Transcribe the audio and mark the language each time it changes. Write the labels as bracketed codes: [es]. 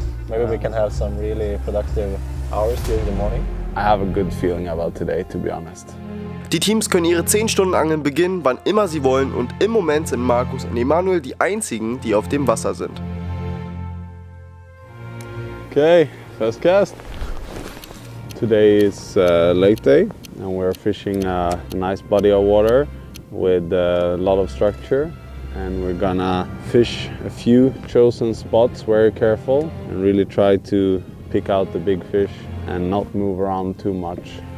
[en] Maybe we can have some really productive hours during the morning. I have a good feeling about today, to be honest. [de] Die Teams können ihre 10 Stunden Angeln beginnen, wann immer sie wollen, und im Moment sind Markus und Emanuel die einzigen, die auf dem Wasser sind. [en] Okay, first cast. Today is late day and we're fishing a nice body of water with a lot of structure, and we're gonna fish a few chosen spots very careful and really try to pick out the big fish and not move around too much.